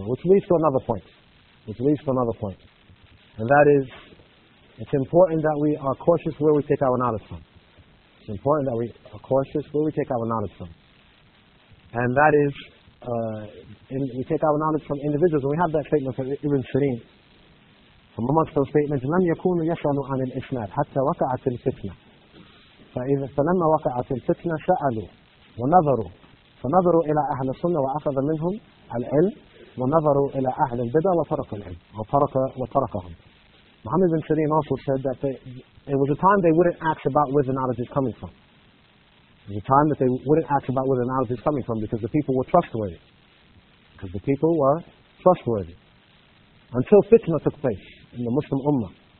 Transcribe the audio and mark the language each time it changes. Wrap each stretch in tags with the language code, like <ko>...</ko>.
<en>Which leads to another point. Which leads to another point. And that is, it's important that we are cautious where we take our knowledge from. It's important that we are cautious where we take our knowledge from. And that is, we take our knowledge from individuals. And we have that statement from Ibn Sirin. From amongst those statements,</en> <ar>لَمْ يَكُونُ يَسْأَلُ عَنِ الْإِسْنَادِ حَتَّى وَقَعَتِ الْفِتْنَةِ فإذا فلما وقعت الفتنة سألوا ونظروا فنظروا إلى أهل السنة وأخذ منهم العلم ونظروا إلى أهل البدع وترك العلم وتركهم.</ar> <en>Muhammad bin Sirin also said that it was a time they wouldn't ask about where the knowledge is coming from. It was a time that they wouldn't ask about where the knowledge is coming from because the people were trustworthy. Because the people were trustworthy. Until fitna took place in the Muslim Ummah.</en>